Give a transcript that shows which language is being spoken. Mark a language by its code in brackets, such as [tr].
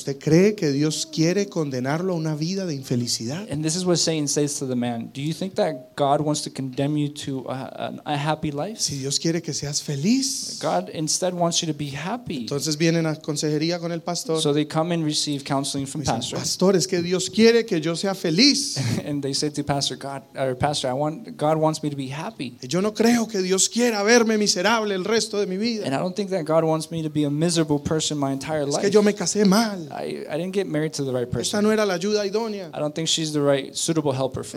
[es] ¿Usted cree que Dios quiere condenarlo a una vida de infelicidad? [en] And this is what Satan says to the man. Do you think that God wants to condemn you to a happy life? [es] Si Dios quiere que seas feliz. [en] God instead wants you to be happy. [es] Entonces vienen a consejería con el pastor. [en] So they come and receive counseling from pastor. [es] Pastor, es que Dios quiere que yo sea feliz. [en] And they say to pastor, God wants me to be happy. [es] Y yo no creo que Dios quiera verme miserable el resto de mi vida. [en] And I don't think that God wants me to be a miserable person my entire life. [es] Yo me casé mal. [en] I didn't get married to the right person. [es] Esta no era la ayuda idónea. [en] I don't think she's the right suitable helper for